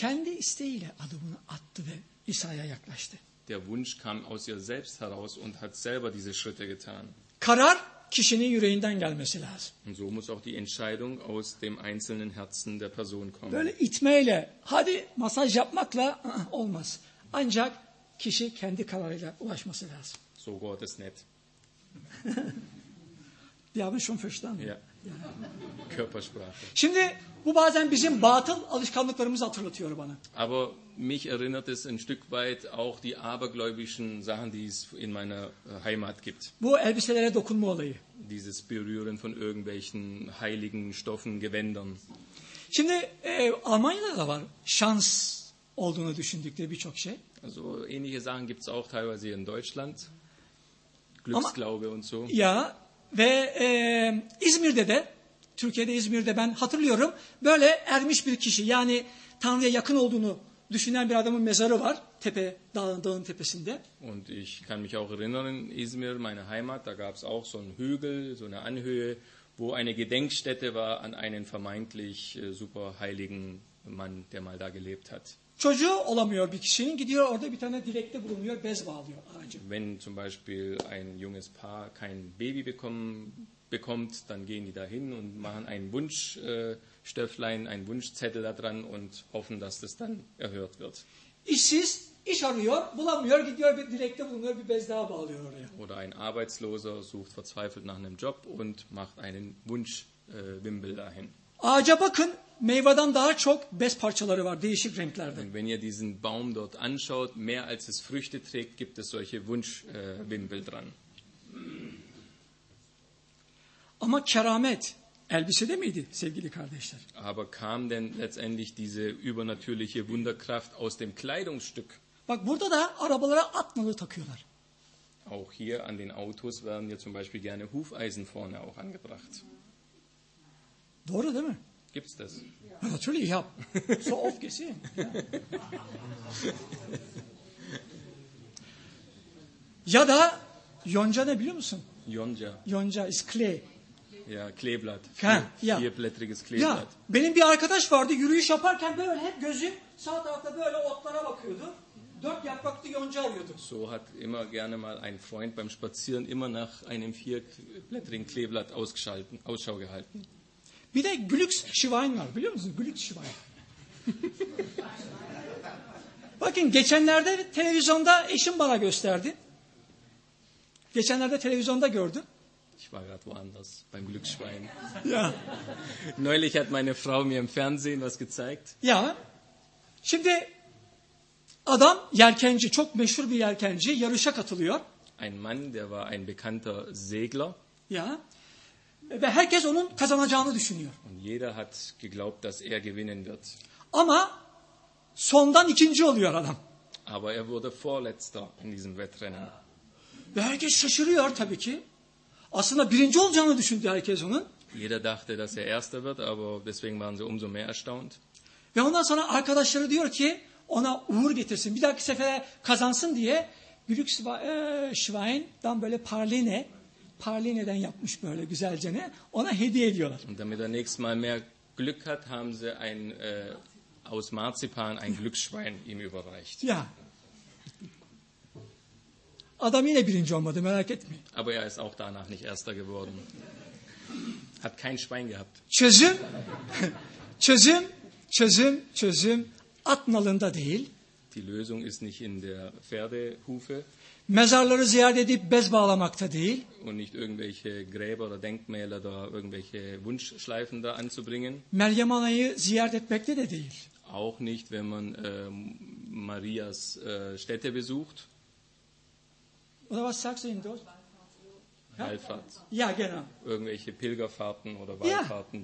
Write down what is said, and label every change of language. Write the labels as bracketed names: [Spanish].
[Turkish] Kendi isteğiyle adımını attı ve İsa'ya yaklaştı. [German] Der Wunsch kam aus ihr selbst heraus und hat selber diese Schritte getan. [Turkish] Karar kişinin yüreğinden gelmesi lazım. [German] Und so muss auch die Entscheidung aus dem einzelnen Herzen der Person kommen. [Turkish] Böyle itmeyle, hadi masaj yapmakla olmaz. Ancak kişi kendi kararıyla ulaşması lazım. [German] So Gott ist nett. Die haben schon verstanden. Ja. Körpersprache. [Turkish] Şimdi bu bazen bizim batıl alışkanlıklarımızı hatırlatıyor bana. [German] Aber mich erinnert es ein Stück weit auch die abergläubischen Sachen, die es in meiner Heimat gibt. [Turkish] Bu elbiselere dokunma olayı. [German] Dieses Berühren von irgendwelchen heiligen Stoffen, Gewändern. [Turkish] Şimdi Almanya'da da var şans olduğunu düşündükleri birçok şey. [German] Also ähnliche Sachen gibt es auch teilweise hier in Deutschland. Glücksglaube und so. [Turkish] Ja, ve İzmir'de de, Türkiye'de İzmir'de ben hatırlıyorum, böyle ermiş bir kişi, yani Tanrı'ya yakın olduğunu düşünen bir adamın mezarı var tepe, dağın tepesinde. [German] Und ich kann mich auch erinnern, in İzmir, meine Heimat, da gab es auch so einen Hügel, so eine Anhöhe, wo eine Gedenkstätte war an einen vermeintlich super heiligen Mann, der mal da gelebt hat. [Turkish] Çocuğu olamıyor bir kişinin, gidiyor orada bir tane direkte bulunuyor, bez bağlıyor aracı. [German] Wenn zum Beispiel ein junges Paar kein Baby bekommt, dann gehen die dahin und machen einen Wunschstöfflein, einen Wunschzettel da dran und hoffen, dass das dann erhört wird. [Turkish] İşsiz, iş arıyor, bulamıyor, gidiyor bir direkte bulunuyor, bir bez daha bağlıyor oraya. [German] Oder ein Arbeitsloser sucht verzweifelt nach einem Job und macht einen Wunschwimbel dahin. [Turkish] Ağaca bakın, meyveden daha çok bez parçaları var, değişik renklerde. [German] Wenn ihr diesen Baum dort anschaut, mehr als es Früchte trägt, gibt es solche Wunschwimbel dran. [Turkish] Ama keramet elbisede miydi sevgili kardeşler? [German] Aber kam denn letztendlich diese übernatürliche Wunderkraft aus dem Kleidungsstück? [Turkish] Bak burada da arabalara at nalı takıyorlar. [German] Auch hier an den Autos werden ja zum Beispiel gerne Hufeisen vorne auch angebracht. [Turkish] Doğru değil mi? [German] Gibt's das? Ja, natürlich, ja. So oft gesehen. Ja. [Turkish] Ya da yonca ne biliyor musun? Yonca. [German] Yonca is clay. Ja, Kleeblatt. Vierblättriges Kleeblatt. [Turkish] Ja, benim bir arkadaş vardı, yürüyüş yaparken böyle hep gözü sağ tarafta böyle otlara bakıyordu. Dört yapraklı yonca alıyordu. [German] So hat immer gerne mal ein Freund beim Spazieren immer nach einem vierblättrigen Kleeblatt ausgeschalten, Ausschau gehalten. [Turkish] Bir de Glücksschwein var, biliyor musunuz? Glücksschwein. Bakın geçenlerde televizyonda eşim bana gösterdi. Geçenlerde televizyonda gördüm. [German] Ich war gerade woanders beim Glücksschwein. Ja. Neulich hat meine Frau mir im Fernsehen was gezeigt. Ja. [Turkish] Şimdi adam yelkenci, çok meşhur bir yelkenci, yarışa katılıyor. [German] Ein Mann, der war ein bekannter Segler. Ja. [Turkish] Ve herkes onun kazanacağını düşünüyor. [German] Und jeder hat geglaubt, dass er gewinnen wird. [Turkish] Ama sondan ikinci oluyor adam. [German] Aber er wurde vorletzter in diesem Wettrennen. [Turkish] Ve herkes şaşırıyor tabii ki. Aslında birinci olacağını düşündü herkes onun. [German] Jeder dachte, dass er erster wird, aber deswegen waren sie umso mehr erstaunt. [Turkish] Ve ondan sonra arkadaşları diyor ki ona uğur getirsin. Bir dahaki sefere kazansın diye Glücksschwein'dan böyle parline. Parline'den yapmış böyle güzelce ne? Ona hediye ediyorlar. [German] Damit er nächstes Mal mehr Glück hat, haben sie ein aus Marzipan ein Glücksschwein ihm überreicht. Ja. [Turkish] Adam yine birinci olmadı, merak etmeyin. [German] Aber er ist auch danach nicht erster geworden. Hat kein Schwein gehabt. [Turkish] Çözüm, çözüm, çözüm, çözüm at nalında değil. [German] Die Lösung ist nicht in der Pferdehufe. [Turkish] Mezarları ziyaret edip bez bağlamakta değil. [German] Und nicht irgendwelche Gräber oder Denkmäler oder irgendwelche Wunschschleifen da anzubringen. [Turkish] Meryem Ana'yı ziyaret etmekte de değil. [German] Auch nicht, wenn man Marias Städte besucht. Oder was sagst du in Deutsch? Wallfahrt. Ja, genau. Irgendwelche Pilgerfahrten oder Wallfahrten